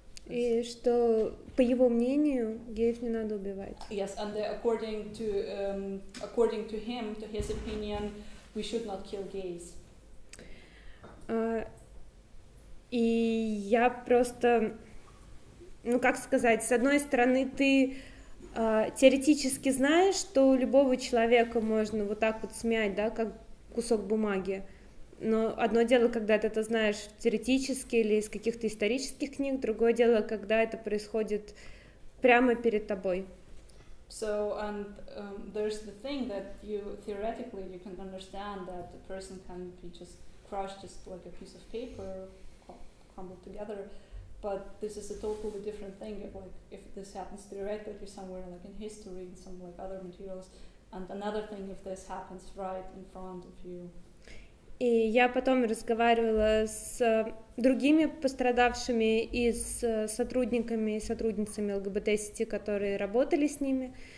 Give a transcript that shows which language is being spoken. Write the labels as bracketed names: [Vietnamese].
[Russian] и что, по его мнению, геев не надо убивать. [English] Yes, and according to according to him, to his opinion, we should not kill gays. [Russian] И я просто, ну как сказать, с одной стороны, ты теоретически знаешь, что любого человека можно вот так вот смять, да, как кусок бумаги. Но одно дело, когда ты это знаешь теоретически или из каких-то исторических книг, другое дело, когда это происходит прямо перед тобой. [English] So, and there's the thing that you theoretically you can understand that a person can be just crushed just like a piece of paper crumbled together, but this is a totally different thing if like if this happens theoretically somewhere like in history in some like other materials, and another thing if this happens right in front of you. [Russian] И я потом разговаривала с другими пострадавшими и с сотрудниками и сотрудницами ЛГБТ-сети, которые работали с ними.